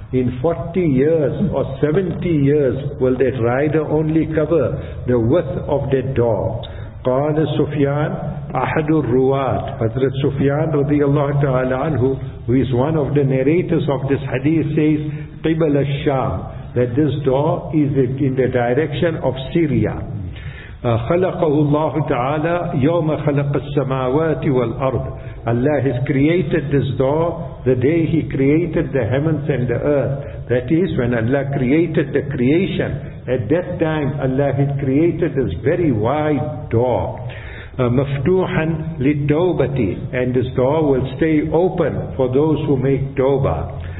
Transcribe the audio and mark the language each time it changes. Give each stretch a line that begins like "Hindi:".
English: In 40 years or 70 years will that rider only cover the width of that door.
Arabic: Qala Sufyan, Ahadur Ruwat,
English: Hazrat Sufyan radiallahu ta'ala anhu, who is one of the narrators of this hadith, says
Arabic: Qibal al-Sham,
English: that this door is in the direction of Syria.
Arabic: خلقه الله تعالى يوم خلق السماوات والأرض.
English: Allah has created this door the day He created the heavens and the earth. That is when Allah created the creation. At that time Allah had created this very wide door.
Arabic: مفتوحا للتوبة,
English: and this door will stay open for those who make tawbah.